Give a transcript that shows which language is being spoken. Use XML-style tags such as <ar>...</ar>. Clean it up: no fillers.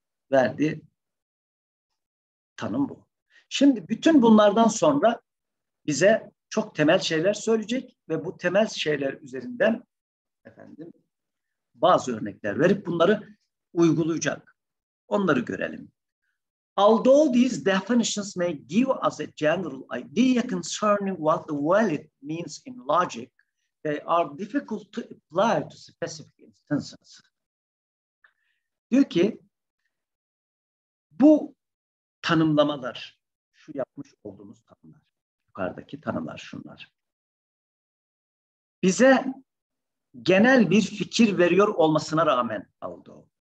<tr>Verdiği tanım bu. Şimdi bütün bunlardan sonra bize çok temel şeyler söyleyecek ve bu temel şeyler üzerinden efendim bazı örnekler verip bunları uygulayacak. Onları görelim.</tr> <en>Although these definitions may give us a general idea concerning what the valid means in logic, they are difficult to apply to specific instances.</en> <tr>Diyor ki, bu tanımlamalar, şu yapmış olduğumuz tanımlar, yukarıdaki tanımlar şunlar, bize genel bir fikir veriyor olmasına rağmen aldı o.</tr>